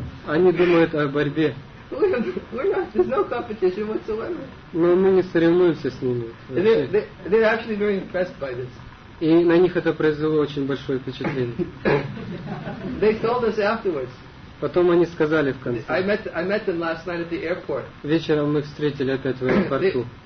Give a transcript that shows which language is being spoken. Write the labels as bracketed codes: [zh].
[ru] Они думают о борьбе. [en] There's no competition whatsoever. [ru] Но мы не соревнуемся с ними. [en] They're actually very impressed by this. [ru] И на них это произвело очень большое впечатление. [en] They told us afterwards. [ru] Потом они сказали в конце. [en] I met them last night at the airport. [ru] Вечером мы встретили опять в аэропорту.